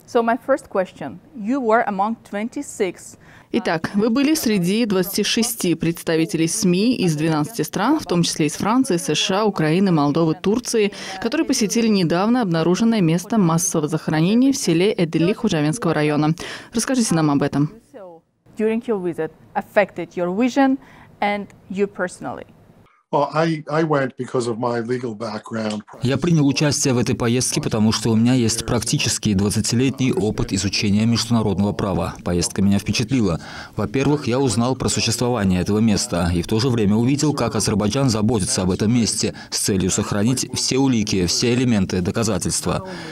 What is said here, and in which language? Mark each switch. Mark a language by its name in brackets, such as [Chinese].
[English] So my first question, you were among 26. [Russian] Итак, вы были среди 26 представителей СМИ из 12 стран, в том числе из Франции, США, Украины, Молдовы, Турции, которые посетили недавно обнаруженное место массового захоронения в селе Эдели Худжавенского района. Расскажите нам об этом. [English] During your visit affected your vision and you personally. [Russian] Я принял участие в этой поездке, потому что у меня есть практически 20-летний опыт изучения международного права. Поездка меня впечатлила. Во-первых, я узнал про существование этого места и в то же время увидел, как Азербайджан заботится об этом месте с целью сохранить все улики, все элементы, доказательства.